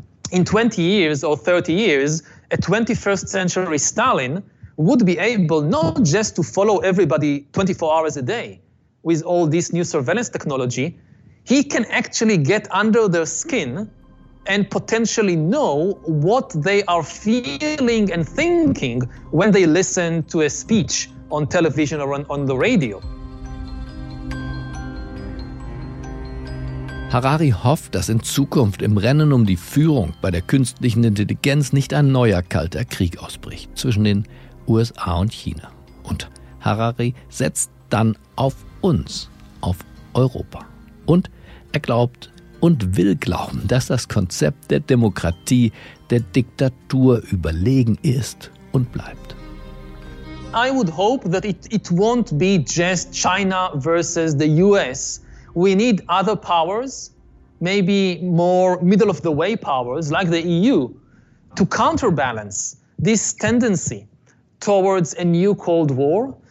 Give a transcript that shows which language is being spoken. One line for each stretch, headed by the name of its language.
English: In 20 years or 30 years, a 21st century Stalin would be able not just to follow everybody 24 hours a day with all this new surveillance technology. He can actually get under their skin and potentially know what they are feeling and thinking when they listen to a speech on television or on the radio.
German: Harari hofft, dass in Zukunft im Rennen um die Führung bei der künstlichen Intelligenz nicht ein neuer kalter Krieg ausbricht zwischen den USA und China. Und Harari setzt dann auf uns, auf Europa. Und er glaubt und will glauben, dass das Konzept der Demokratie der Diktatur überlegen ist und bleibt.
English: I would hope that it won't be just China versus the US. We need other powers, maybe more middle-of-the-way powers like the EU, to counterbalance this tendency towards a new Cold War.